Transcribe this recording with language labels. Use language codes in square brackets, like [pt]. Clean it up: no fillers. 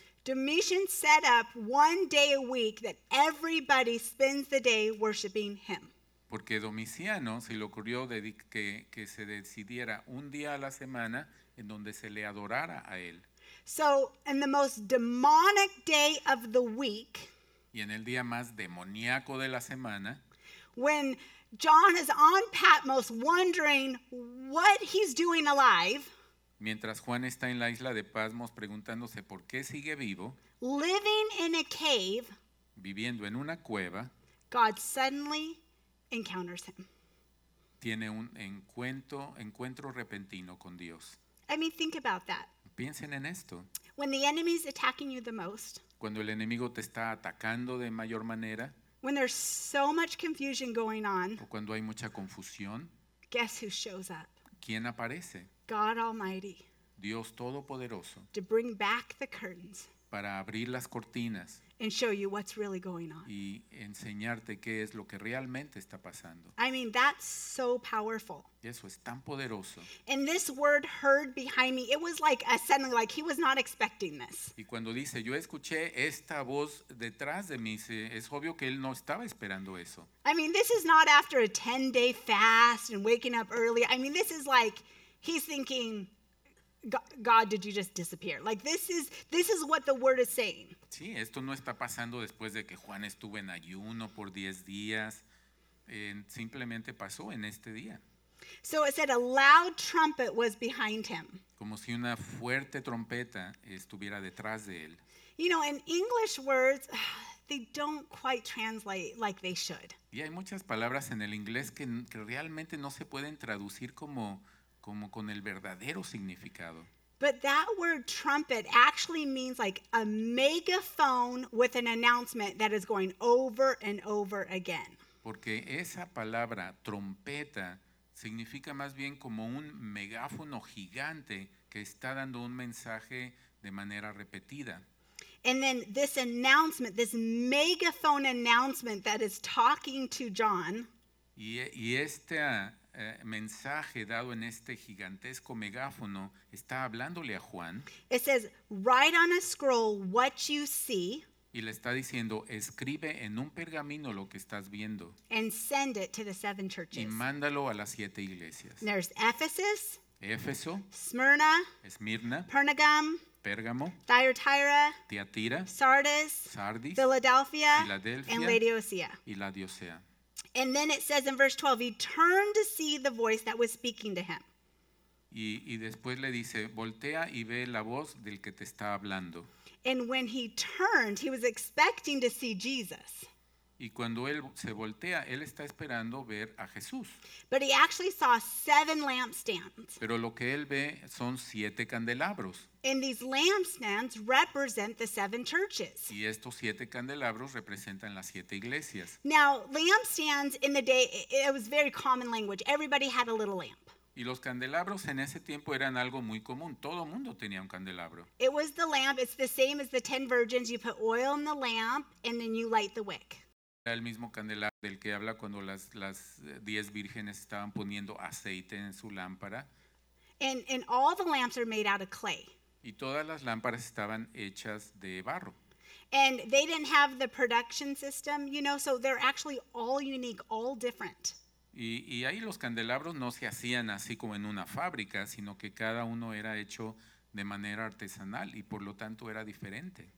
[en] Domitian set up one day a week that everybody spends the day worshiping him. [es] Porque Domiciano se le ocurrió que se decidiera un día a la semana en donde se le adorara a él. [en] So, in the most demonic day of the week, [es] y en el día más demoníaco de la semana, [en] when John is on Patmos wondering what he's doing alive, [es] mientras Juan está en la isla de Patmos preguntándose por qué sigue vivo, [en] living in a cave, [es] viviendo en una cueva, [en] God suddenly encounters him. [es] Tiene un encuentro repentino con Dios. [en] I mean, think about that. [es] Piensen en esto. [en] When the enemy is attacking you the most, [es] cuando el enemigo te está atacando de mayor manera, [en] when there's so much confusion going on, [es] o cuando hay mucha confusión, [en] guess who shows up? [es] ¿Quién aparece? [en] God Almighty, [es] Dios Todopoderoso, [en] to bring back the curtains, [es] para abrir las cortinas, [en] and show you what's really going on. [es] Y enseñarte qué es lo que realmente está pasando. [en] I mean, that's so powerful. [es] Eso es tan poderoso. [en] And this word heard behind me, it was like a suddenly, like he was not expecting this. [es] Y cuando dice, yo escuché esta voz detrás de mí, es obvio que él no estaba esperando eso. [en] I mean, this is not after a 10-day fast and waking up early. I mean, this is like, he's thinking, God, did you just disappear? Like this is what the word is saying. [es] Sí, esto no está pasando después de que Juan estuvo en ayuno por 10 días. Simplemente pasó en este día. [en] So it said a loud trumpet was behind him. [es] Como si una fuerte trompeta estuviera detrás de él. [en] You know, in English words, they don't quite translate like they should. [es] Y hay muchas palabras en el inglés que realmente no se pueden traducir como con el verdadero significado. [en] But that word trumpet actually means like a megaphone with an announcement that is going over and over again. [es] Porque esa palabra trompeta significa más bien como un megáfono gigante que está dando un mensaje de manera repetida. [en] And then this announcement, this megaphone announcement that is talking to John. [es] Y este mensaje dado en este gigantesco megáfono está hablándole a Juan. [en] It says, write on a scroll what you see. [es] Y le está diciendo, escribe en un pergamino lo que estás viendo. [en] And send it to the seven churches. [es] Y mándalo a las siete iglesias. [en] There's Ephesus. [es] Éfeso. [en] Smyrna. [es] Esmirna. [en] Pergamum. [es] Pérgamo. [en] Thyatira. [es] Thyatira. [en] Sardis. [es] Sardis. [en] Philadelphia. [es] Philadelphia. [en] And Laodicea. [es] Y Laodicea. [en] And then it says in verse 12, he turned to see the voice that was speaking to him. [es] Y después le dice, voltea y ve la voz del que te está hablando. [en] And when he turned, he was expecting to see Jesus. [es] Y cuando él se voltea, él está esperando ver a Jesús. [en] But he actually saw seven lampstands. [es] Pero lo que él ve son siete candelabros. [en] And these lampstands represent the seven churches. [es] Y estos siete candelabros representan las siete iglesias. [en] Now, lampstands in the day, it was very common language. Everybody had a little lamp. [es] Y los candelabros en ese tiempo eran algo muy común. Todo mundo tenía un candelabro. [en] It was the lamp. It's the same as the ten virgins. You put oil in the lamp and then you light the wick. [es] Era el mismo candelabro del que habla cuando las diez vírgenes estaban poniendo aceite en su lámpara. [en] And all the lamps are made out of clay. [es] Y todas las lámparas estaban hechas de barro. [en] And they didn't have the production system, you know, so they're actually all unique, all different. [es] Y ahí los candelabros no se hacían así como en una fábrica, sino que cada uno era hecho de manera artesanal y por lo tanto era diferente.